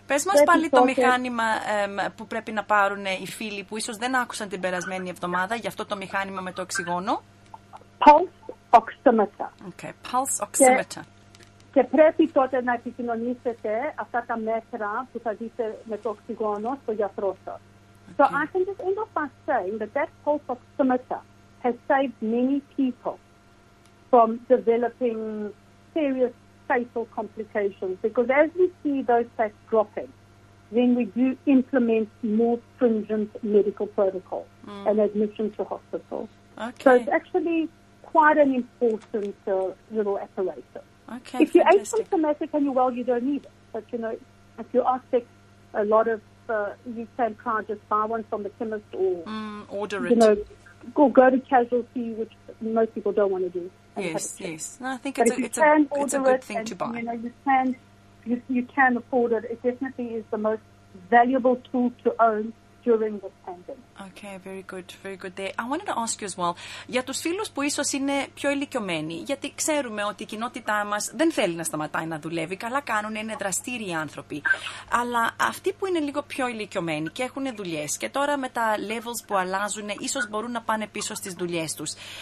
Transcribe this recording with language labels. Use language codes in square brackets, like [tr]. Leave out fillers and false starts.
[el] Πες μας πάλι το μηχάνημα που πρέπει να πάρουν οι φίλοι που ίσως δεν άκουσαν την περασμένη εβδομάδα για αυτό το μηχάνημα με το οξυγόνο. [en] Pulse oximeter. Okay, pulse oximeter. [el] Και πρέπει τότε να επικοινωνήσετε αυτά τα μέτρα που θα δείτε με το οξυγόνο στο γιατρό σας. [en] Okay. So I can just end off by saying that that pulse oximeter has saved many people from developing serious fatal complications. Because as we see those facts dropping, then we do implement more stringent medical protocols and admission to hospitals. Okay. So it's actually quite an important little apparatus. Okay, if you're asymptomatic and you're well, you don't need it. But, you know, if you are sick, a lot of you can try just buy one from the chemist or order it. You know, go to casualty, which most people don't want to do. Yes. No, I think it's a good thing to buy. You know, you can afford it. It definitely is the most valuable tool to own during the pandemic. Okay, very good. Very good there. I wanted to ask you as well, [el] για τους φίλους που ίσως είναι πιο ηλικιωμένοι, γιατί ξέρουμε ότι η κοινότητά μας δεν θέλει να σταματάει να δουλεύει, καλά κάνουν, είναι δραστήριοι άνθρωποι. Αλλά αυτοί που είναι λίγο πιο ηλικιωμένοι και έχουν δουλειές και τώρα με τα levels που αλλάζουν, ίσως μπορούν να πάνε πίσω στις δουλειές τους.